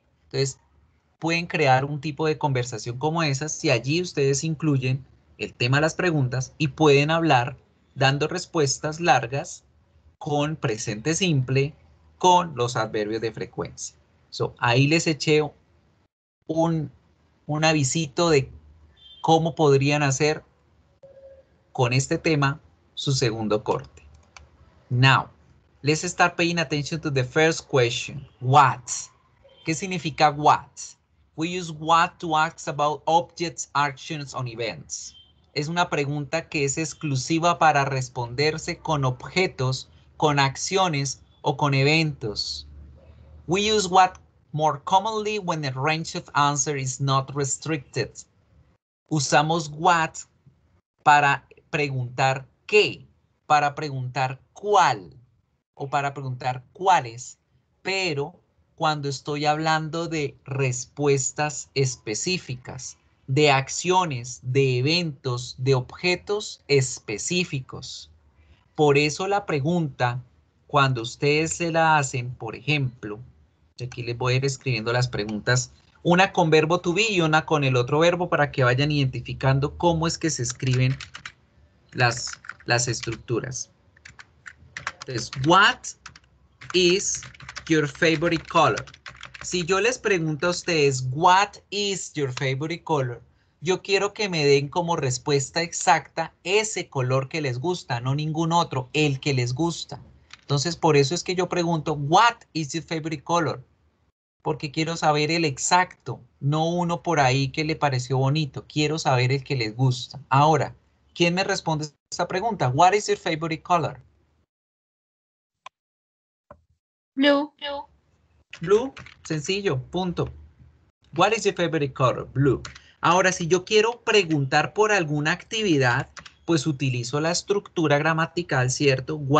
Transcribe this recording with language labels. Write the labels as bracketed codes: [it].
[es] Entonces, pueden crear un tipo de conversación como esas si allí ustedes incluyen el tema de las preguntas y pueden hablar dando respuestas largas con presente simple, con los adverbios de frecuencia. So, ahí les eché un avisito de cómo podrían hacer con este tema su segundo corte. [en] Now, let's start paying attention to the first question. What? [es] ¿Qué significa what? [en] We use what to ask about objects, actions, or events. [es] Es una pregunta que es exclusiva para responderse con objetos, con acciones o con eventos. [en] We use what more commonly when the range of answer is not restricted. [es] Usamos what para preguntar qué, para preguntar cuál o para preguntar cuáles, pero cuando estoy hablando de respuestas específicas, de acciones, de eventos, de objetos específicos. Por eso la pregunta, cuando ustedes se la hacen, por ejemplo, aquí les voy a ir escribiendo las preguntas, una con verbo to be y una con el otro verbo para que vayan identificando cómo es que se escriben las estructuras. [en] Entonces, what is your favorite color? [es] Si yo les pregunto a ustedes, [en] what is your favorite color? [es] Yo quiero que me den como respuesta exacta ese color que les gusta, no ningún otro, el que les gusta. Entonces, por eso es que yo pregunto, [en] what is your favorite color? [es] porque quiero saber el exacto, no uno por ahí que le pareció bonito. Quiero saber el que les gusta. Ahora, ¿quién me responde esta pregunta? [en] What is your favorite color? Blue. [es] Blue, sencillo, punto. [en] What is your favorite color? Blue. [es] Ahora, si yo quiero preguntar por alguna actividad, pues utilizo la estructura gramatical, ¿cierto?